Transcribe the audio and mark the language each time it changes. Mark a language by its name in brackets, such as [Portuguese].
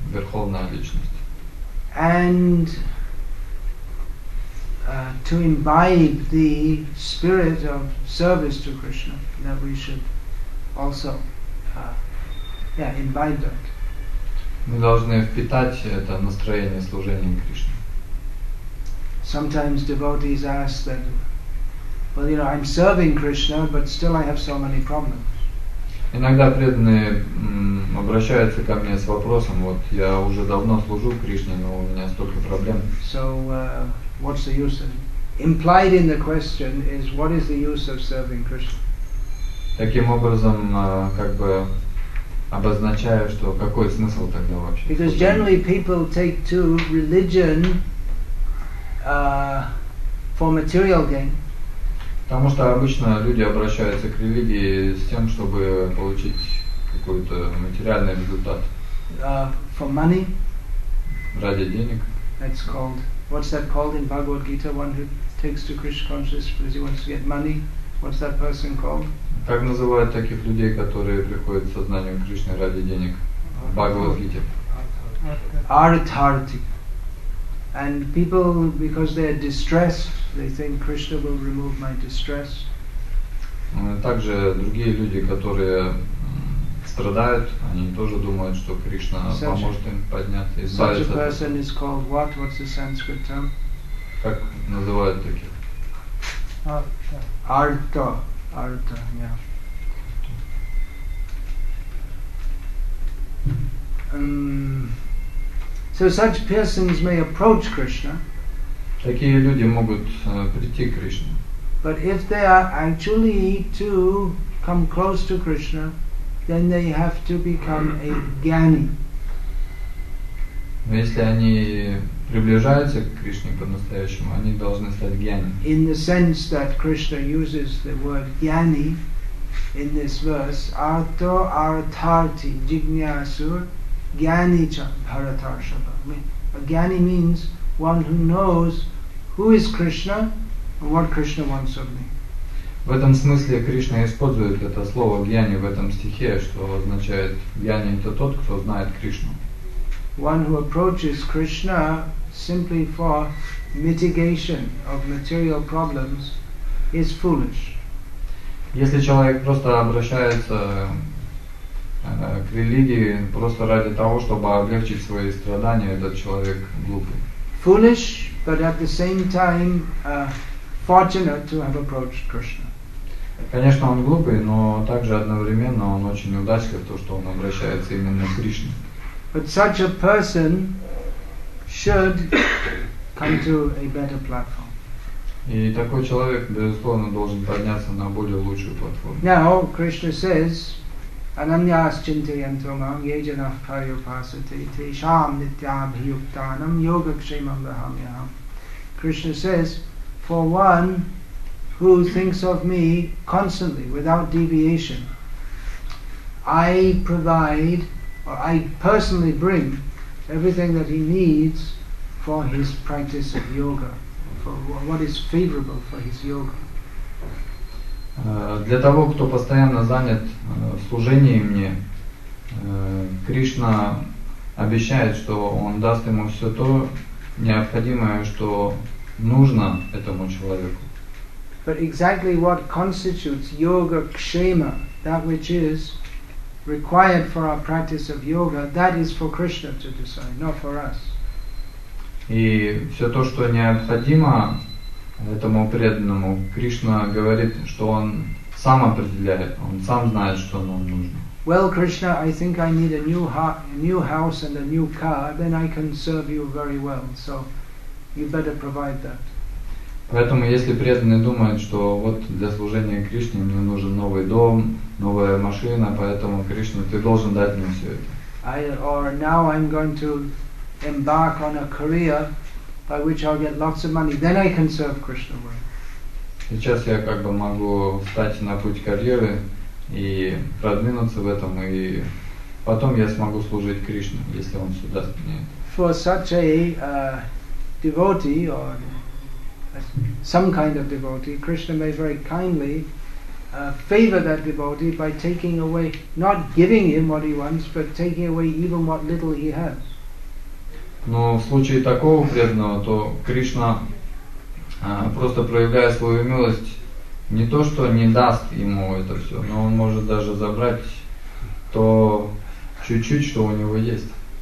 [Russian] Верховная Личность. [English] And to imbibe the spirit of service to Krishna, that we should also imbibe that. [Russian] Мы должны впитать это настроение служения Кришне. [English] Sometimes devotees ask that, well, you know, I'm serving Krishna, but still I have so many problems. [Russian] Иногда преданные обращаются ко мне с вопросом, вот я уже давно служу Кришне, но у меня столько проблем. [English] So, what's the use of? Implied in the question is, what is the use of serving Krishna? [Russian] Таким образом, как бы обозначаю, что какой смысл тогда вообще? [English] Because generally people take to religion for material gain. [Russian] Потому что обычно люди обращаются к религии с тем, чтобы получить какой-то материальный результат. [English] For money. [Russian] Ради денег. [English] That's called. What's that called in Bhagavad Gita? One who takes to Krishna consciousness because he wants to get money. What's that person called? [Russian] Как называют таких людей, которые приходят в сознание Кришны ради денег? [English] Bhagavad Gita. [Sanskrit] Artharthi. [English] And people, because they are distressed, they think Krishna will remove my distress. [Russian] Также другие люди, которые страдают, они тоже думают, что Кришна поможет им подняться, избавиться. [English] Such a person is called what? What's the Sanskrit term? [Russian] Как называют таких? [Sanskrit] Artha. Artha, yeah. [English] So such persons may approach Krishna. [Russian] Такие люди могут прийти к Кришне. [English] But if they are actually to come close to Krishna, then they have to become a gyani. [Russian] Но если они приближаются к Кришне по-настоящему, они должны стать гьяни. [English] In the sense that Krishna uses the word gyani in this verse, [Sanskrit] arto arthati jignyasur. Gyani cha bharatarshava. [English] A gyani means one who knows who is Krishna and what Krishna wants of me. [Russian] В этом смысле Кришна использует это слово гьяни в этом стихе, что означает гьяни это тот, кто знает Кришну. [English] One who approaches Krishna simply for mitigation of material problems is foolish. [Russian] Если человек просто обращается к религии просто ради того, чтобы облегчить свои страдания, этот человек глупый. [English] Foolish, but at the same time fortunate to have approached Krishna. [Russian] Конечно, он глупый, но также одновременно он очень удачлив, то, что он обращается именно к Кришне. [English] But such a person should come to a better platform. [Russian] И такой человек, безусловно, должен подняться на более лучшую платформу. [English] Now, Krishna says, [Sanskrit] Ananyas chintayantumam yejanah paryupasati tesham nityabhiyuktanam yogakshemam vahamyaham. [English] Krishna says, for one who thinks of me constantly, without deviation, I provide, or I personally bring, everything that he needs for his practice of yoga, for what is favorable for his yoga. [Russian] Для того, кто постоянно занят служением мне, Кришна обещает, что он даст ему все то необходимое, что нужно этому человеку. [English] But exactly what constitutes yoga kshema, that which is required for our practice of yoga, that is for Krishna to decide, not for us. [Russian] И все то, что необходимо этому преданному, Кришна говорит, что он сам определяет, он сам знает, что нам нужно. [English] Well, Krishna, I think I need a new house and a new car, then I can serve you very well. So you better provide that. [Russian] Поэтому, если преданный думает, что вот для служения Кришне мне нужен новый дом, новая машина, поэтому, Кришна, ты должен дать мне все это. [English] Or now I'm going to embark on a career by which I'll get lots of money, then I can serve Krishna well. [Russian] Сейчас я как бы могу встать на путь карьеры и продвинуться в этом, и потом я смогу служить Кришне, если он все даст мне. [English] For such a devotee, or some kind of devotee, Krishna may very kindly favor that devotee by taking away, not giving him what he wants, but taking away even what little he has. [Russian] Но в случае такого преданного, то Кришна, просто проявляя свою милость, не то что не даст ему это все, но он может даже забрать то чуть-чуть, что у него есть.